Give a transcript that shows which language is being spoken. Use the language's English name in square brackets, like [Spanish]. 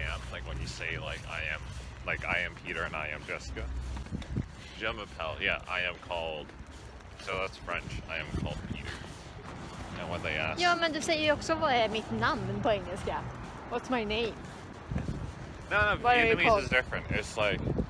[English] Like when you say like I am Peter and I am Jessica. [French] Je m'appelle, [English] yeah, I am called. So that's French, I am called Peter. And when they ask. [Swedish] Ja, men du säger ju också vad är mitt namn på engelska. [English] What's my name? No, Vietnamese is different. It's like